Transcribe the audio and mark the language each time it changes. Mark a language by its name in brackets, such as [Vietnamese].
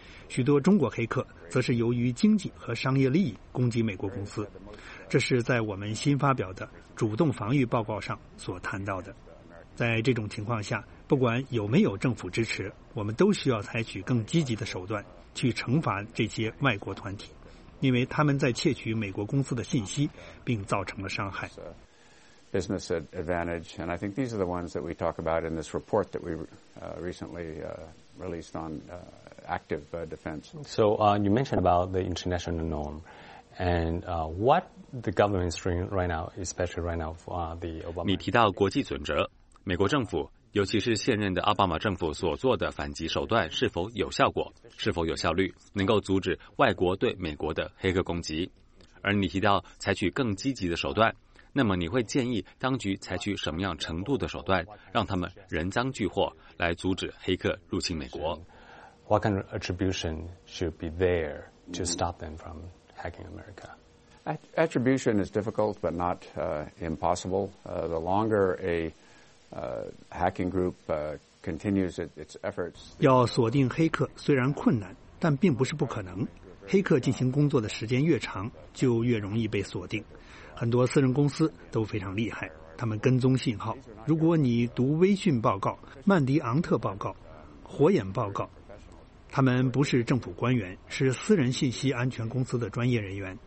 [Chinese] 许多中国黑客则是由于经济和商业利益攻击美国公司，这是在我们新发表的主动防御报告上所谈到的。在这种情况下，不管有没有政府支持，我们都需要采取更积极的手段去惩罚这些外国团体，因为他们在窃取美国公司的信息并造成了伤害。 [English] Business advantage, and I think these are the ones that we talk about in this report that we recently released on active defense. So you mentioned about the international norm, and what the government is doing right now, especially right now for the Obama. [Chinese] 你提到国际准则，美国政府，尤其是现任的奥巴马政府所做的反击手段是否有效果，是否有效率，能够阻止外国对美国的黑客攻击？而你提到采取更积极的手段。那么你会建议当局采取什么样程度的手段，让他们人赃俱获，来阻止黑客入侵美国 [English] ？What kind of attribution should be there to stop them from hacking America? Attribution is difficult, but not impossible. The longer a hacking group continues its efforts, [Chinese] 要锁定黑客虽然困难，但并不是不可能。黑客进行工作的时间越长，就越容易被锁定。很多私人公司都非常厉害，他们跟踪信号。如果你读微信报告、曼迪昂特报告、火眼报告，他们不是政府官员，是私人信息安全公司的专业人员。